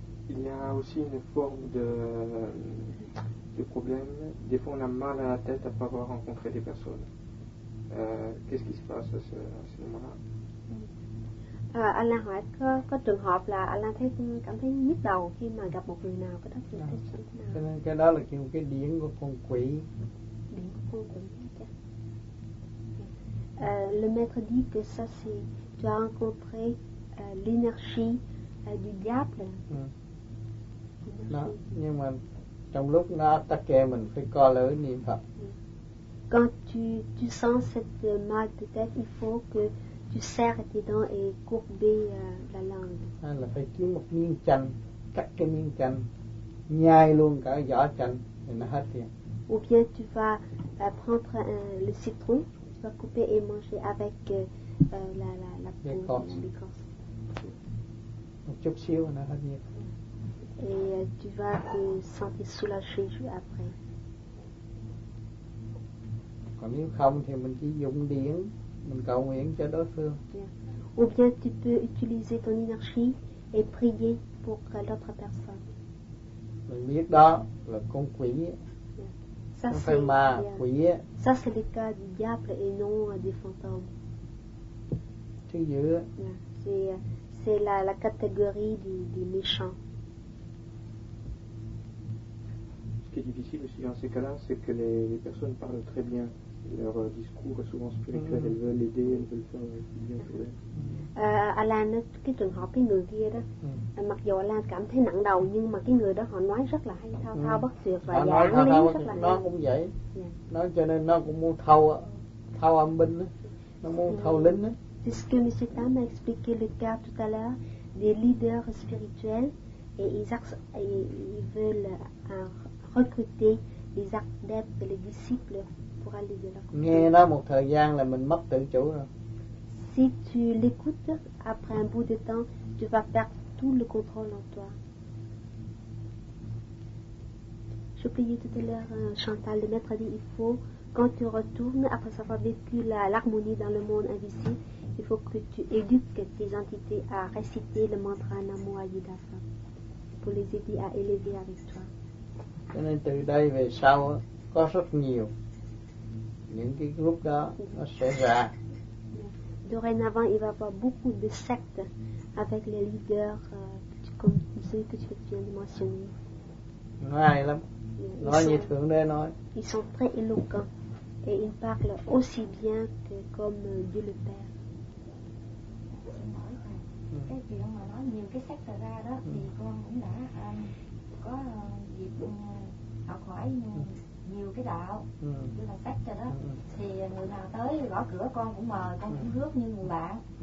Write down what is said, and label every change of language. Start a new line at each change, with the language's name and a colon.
French: Il y a aussi une forme de problème. Des fois, on a mal à la tête après avoir rencontré des personnes. Qu'est-ce qui se passe à ce moment-là?
Vietnamese: Alain hỏi có trường hợp là Alain cảm thấy nhức đầu khi mà gặp một người nào, có tác dụng thế nào? Cho nên cái đó là kiểu cái điển của con quỷ. Điển của con quỷ.
French: Le maître dit que ça c'est tu as rencontré l'énergie du diable.
Vietnamese: Đó, nhưng mà trong lúc nó ta kè mình phải co lưỡi niệm Phật.
French: Quand tu sens cette mal de tête, il faut que tu serres tes dents et courbes la langue.
Vietnamese: À, là phải kiếm một miếng chanh, cắt cái miếng chanh, nhai luôn cả vỏ chanh thì nó hết tiền.
French: Ou bien tu vas prendre le citron, tu vas couper et manger avec la peau, l'écorce.
Vietnamese: Un chút xíu là nó hết nhiệt.
French: Et tu vas te sentir soulagé juste après.
Vietnamese: Còn nếu không thì mình chỉ dùng điển. Mình cầu nguyện cho đối phương. Yeah.
French: Ou bien tu peux utiliser ton énergie et prier pour l'autre personne.
Vietnamese: Mình biết đó là con quỷ. Yeah.
French: Ça c'est ma quỷ. Ça c'est le cas du diable et non des fantômes. Tu veux. Yeah. C'est la catégorie des méchants. Ce qui est difficile aussi dans ces cas-là, c'est que les personnes parlent très bien. Leur discours est souvent spirituel, elles veulent aider, elles veulent faire bien pour elles.
Vietnamese: Alain, cái trường hợp cái người kia đó, mặc dù Alain cảm thấy nặng đầu, nhưng mà cái người đó họ nói rất là hay, thao thao bất tuyệt và giảng lý rất là hay. Nó cũng vậy. Yeah. Nó cho nên nó cũng muốn thâu âm binh, nó muốn thâu lính.
French: C'est ce que M. Tam a expliqué le cas tout à l'heure, des leaders spirituels, et ils veulent recruter les adeptes, les disciples pour aller de leur côté.
Vietnamese: Nghe nó một thời gian là mình mất tự chủ rồi.
French: Si tu l'écoutes, après un bout de temps, tu vas perdre tout le contrôle en toi. Je priais tout à l'heure, Chantal, le maître a dit, il faut, quand tu retournes, après avoir vécu l'harmonie dans le monde invisible, il faut que tu éduques tes entités à réciter le mantra Namo Ayudhasa pour les aider à élever avec toi.
Vietnamese: Cho nên từ đây về sau có rất nhiều những cái group đó nó sẽ ra.
French: Dorénavant, il va y avoir beaucoup de sectes avec les leaders comme ceux que tu viens de mentionner.
Vietnamese: Ngoài lắm. Nói như Thượng Đế nói.
French: Ils sont très éloquents et ils parlent aussi bien que comme Dieu le Père.
Vietnamese: Cái chuyện mà nói nhiều cái sách ra đó thì con cũng đã có dịp học hỏi nhiều cái đạo như là sách cho đó, thì người nào tới gõ cửa con cũng mời, con cũng rước như người bạn.